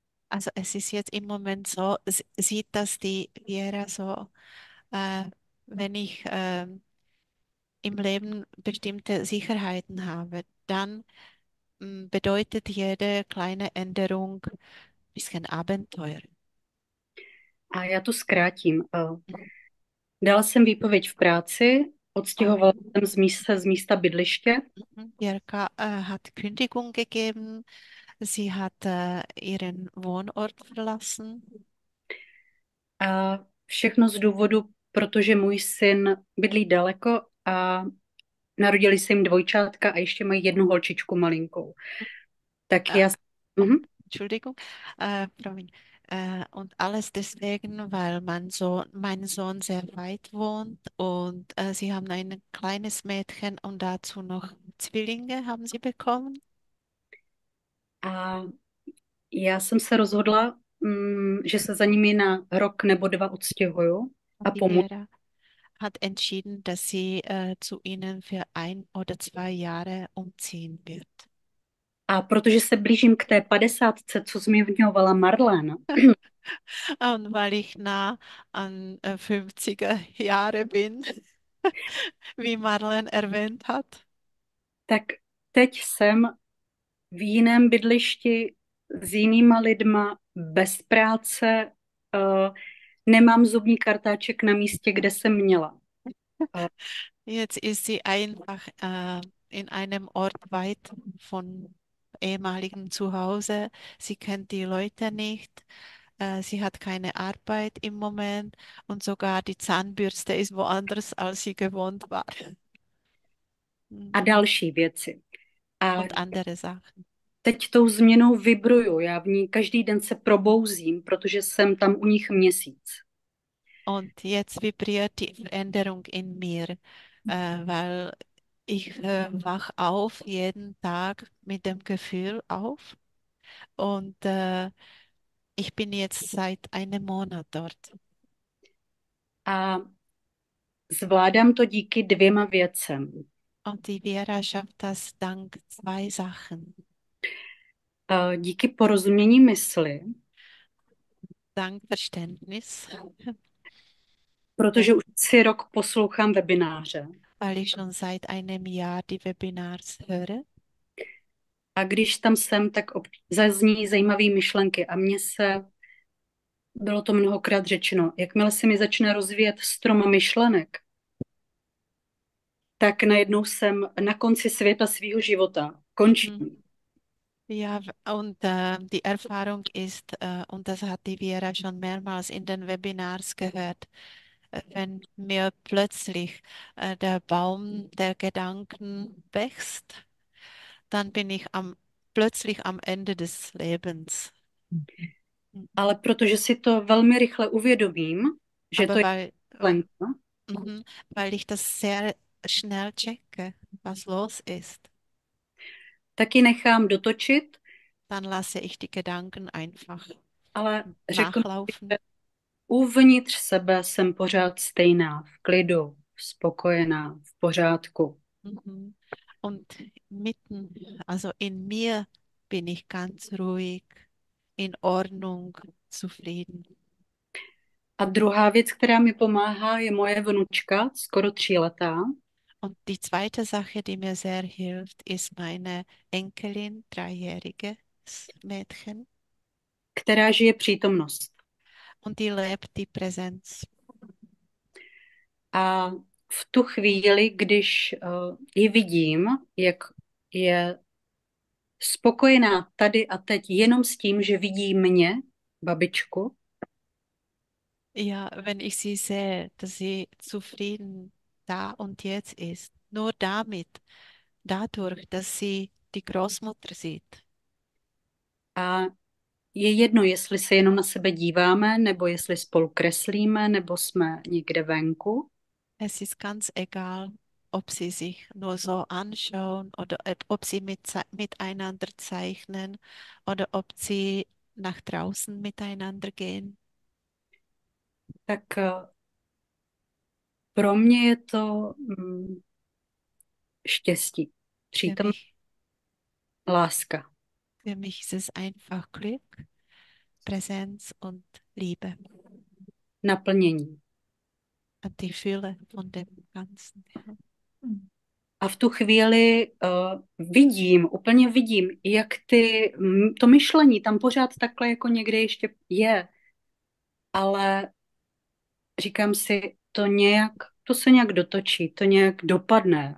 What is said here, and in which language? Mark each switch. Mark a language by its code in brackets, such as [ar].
[de] Also es ist jetzt im Moment so, sieht das die Vera so, wenn ich im Leben bestimmte Sicherheiten habe, dann bedeutet jede kleine Änderung bisschen Abenteuer. [cs] A já to zkrátím. Dala jsem výpověď v práci, Oh. odstěhovala jsem z místa bydliště. [de] Jirka hat Kündigung gegeben. Sie hat ihren Wohnort verlassen. [cs] A všechno z důvodu, protože můj syn bydlí daleko a narodili se jim dvojčátka a ještě mají jednu holčičku malinkou. Tak já... [de] Entschuldigung, [cs] promiň. [de] Und alles deswegen, weil mein Sohn sehr weit wohnt und Sie haben ein kleines Mädchen und dazu noch Zwillinge haben Sie bekommen? [cs] A já jsem se rozhodla, že se za nimi na rok nebo dva odstěhuju a [de] Die [cs] pomůžu. [de] Vera hat entschieden, dass sie zu Ihnen für 1 oder 2 Jahre umziehen wird. [cs] A protože se blížím k té padesátce, co zmiňovala Marlene. [de] Und weil ich nah an 50er Jahre bin, wie Marlene erwähnt hat. [cs] Tak teď jsem v jiném bydlišti s jinýma lidma, bez práce, nemám zubní kartáček na místě, kde jsem měla. [de] Jetzt ist sie einfach in einem Ort weit von ehemaligem Zuhause. Sie kennt die Leute nicht. Sie hat keine Arbeit im Moment und sogar die Zahnbürste ist woanders, als sie gewohnt war. [cs] A další věci. A [de] Und andere Sachen. [cs] teď tou změnou vibruju, já v ní každý den se probouzím, protože jsem tam u nich měsíc. [de] Und jetzt vibriert die Veränderung in mir, weil ich wach auf jeden Tag mit dem Gefühl auf und ich bin jetzt seit einem Monat dort. [cs] A zvládám to díky dvěma věcem. [de] Und die Vera schafft das dank zwei Sachen. [cs] Díky porozumění mysli, [de] Dank Verständnis. [cs] protože už si rok poslouchám webináře. [de] Weil ich schon seit einem Jahr die Webinars höre. [cs] A když tam jsem, tak zazní zajímavé myšlenky. A mně se, bylo to mnohokrát řečeno, jakmile se mi začne rozvíjet strom myšlenek, tak najednou jsem na konci světa svýho života. Končím. [de] Ja, und die Erfahrung ist, und das hat die Vera schon mehrmals in den Webinars gehört, wenn mir plötzlich der Baum der Gedanken wächst, dann bin ich plötzlich am Ende des Lebens. [cs] Ale protože si to velmi rychle uvědomím, že to [de] Aber [cs] je [de] weil, [cs] plenka. [de] weil ich das sehr schnell checke, was los ist. [cs] Taky nechám dotočit, [de] Dann lasse ich die Gedanken einfach [cs] ale řeknu, [de] nachlaufen. [cs] uvnitř sebe jsem pořád stejná, v klidu, spokojená, v pořádku. [de] Und mitten, also in mir bin ich ganz ruhig, in Ordnung, zufrieden. A druhá věc, která mi pomáhá, je moje vnučka, skoro 3 letá. Und die zweite Sache, die mir sehr hilft, ist meine Enkelin, 3-jährige. Mädchen. [cs] Která žije přítomnost. [de] Und die lebt die Präsenz. [cs] A v tu chvíli, když ji vidím, jak je spokojená tady a teď jenom s tím, že vidí mě, babičku, [de] Ja, wenn ich sie sehe, dass sie zufrieden da und jetzt ist, nur damit, dadurch, dass sie die Großmutter sieht. [cs] a je jedno, jestli se jenom na sebe díváme, nebo jestli spolu kreslíme, nebo jsme někde venku. [de] Es ist ganz egal, ob sie sich nur so anschauen oder ob sie miteinander zeichnen oder ob sie nach draußen miteinander gehen. [cs] Tak pro mě je to štěstí, přítomnost, láska. [de] Für mich ist es einfach Glück, Präsenz und Liebe. [cs] Naplnění. [de] A ty fühle von dem Ganzen. [cs] A v tu chvíli vidím, úplně vidím, jak to myšlení tam pořád takhle jako někde ještě je. Ale říkám si, to se nějak dotočí, to nějak dopadne.